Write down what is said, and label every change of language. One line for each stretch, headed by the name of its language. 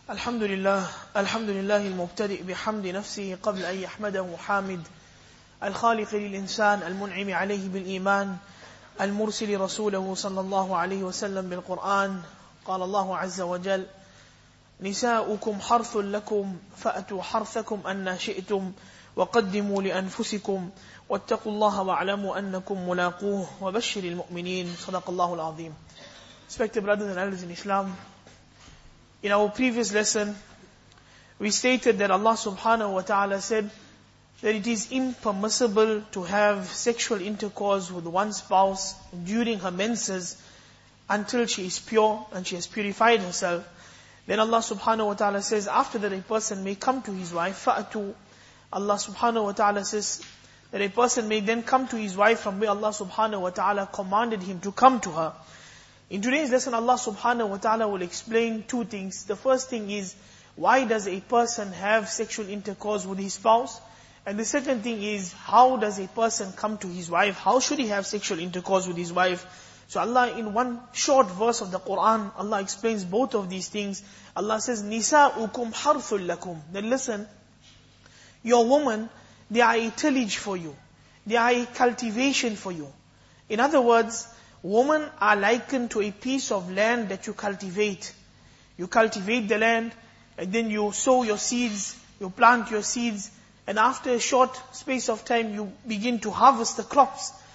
Arabic: الحمد لله الحمد لله المبتدئ بحمد نفسه قبل أن يحمده حامد الخالق للإنسان المنعم عليه بالإيمان المرسل رسوله صلى الله عليه وسلم بالقرآن. قال الله عز وجل: نساؤكم حرث لكم فأتوا حرثكم أن شئتم وقدموا لأنفسكم واتقوا الله واعلموا أنكم ملاقوه وبشر المؤمنين. صدق الله العظيم.
English: Respected brothers and elders in Islam, in our previous lesson, we stated that Allah subhanahu wa ta'ala said that it is impermissible to have sexual intercourse with one spouse during her menses until she is pure and she has purified herself. Then Allah subhanahu wa ta'ala says, after that a person may come to his wife, fa'atu. Allah subhanahu wa ta'ala says that a person may then come to his wife from where Allah subhanahu wa ta'ala commanded him to come to her. In today's lesson, Allah subhanahu wa ta'ala will explain two things. The first thing is, why does a person have sexual intercourse with his spouse? And the second thing is, how does a person come to his wife? How should he have sexual intercourse with his wife? So Allah, in one short verse of the Qur'an, Allah explains both of these things. Allah says,
Arabic: نِسَاءُكُمْ حَرْثٌ لَكُمْ.
English: Then listen, your woman, they are a tillage for you. They are a cultivation for you. In other words, women are likened to a piece of land that you cultivate. You cultivate the land, and then you sow your seeds, you plant your seeds, and after a short space of time, you begin to harvest the crops.